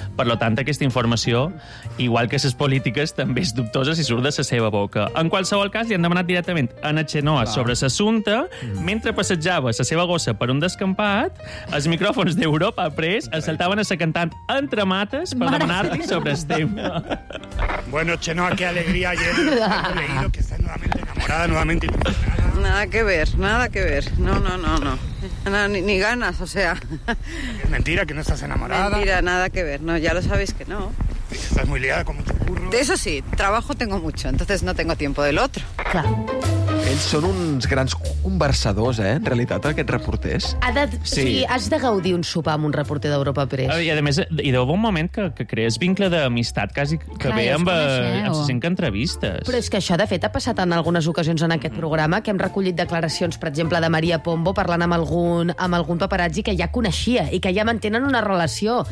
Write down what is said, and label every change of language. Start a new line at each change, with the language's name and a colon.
Catalan: Per tant, aquesta informació, igual que les polítiques, també és dubtosa si surt de la seva boca. En qualsevol cas, li han demanat directament a Chenoa sobre l'assumpte. Mentre passejava la seva gossa per un descampat, els micròfons d'Europa Press assaltaven a la cantant entre mates per demanar-li sobre el tema.
Spanish: Bueno, Chenoa, qué alegría ayer. He leído que estás nuevamente enamorada, nuevamente... Nada que ver, nada que ver. No. Ni ganas, o sea... Es mentira que no estás enamorada. Mentira, nada que ver. No, ya lo sabéis que no. Estás muy liada con mucho curro. De eso sí, trabajo tengo mucho, entonces no tengo tiempo del otro.
Catalan: Clar. Ells són uns grans conversadors, eh, en realitat, aquests reporters. Has de gaudir un sopar amb un reporter d'Europa Press. I, a més, hi deu un moment que crees vincle d'amistat quasi que clar, ve amb les 5 entrevistes. Però és que això, de fet, ha passat en algunes ocasions en aquest programa, que hem recollit declaracions, per exemple, de Maria Pombo parlant amb algun paparazzi que ja coneixia i que ja mantenen una relació.